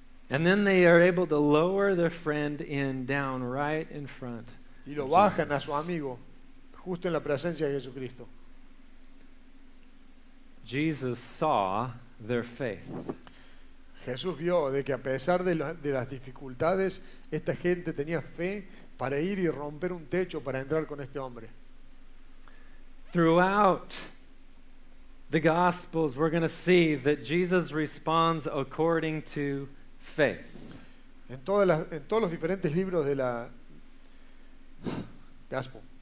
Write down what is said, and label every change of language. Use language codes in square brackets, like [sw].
[en] And then they are able to lower their friend in down right in front. [es] Y lo bajan a su amigo justo en la presencia de Jesucristo. [en] Jesus saw their faith. [es] Jesús vio de que a pesar de las dificultades, esta gente tenía fe para ir y romper un techo para entrar con este hombre. [en] Throughout the Gospels, we're going to see that Jesus responds according to faith. [es] En todos los diferentes libros de la Gospel.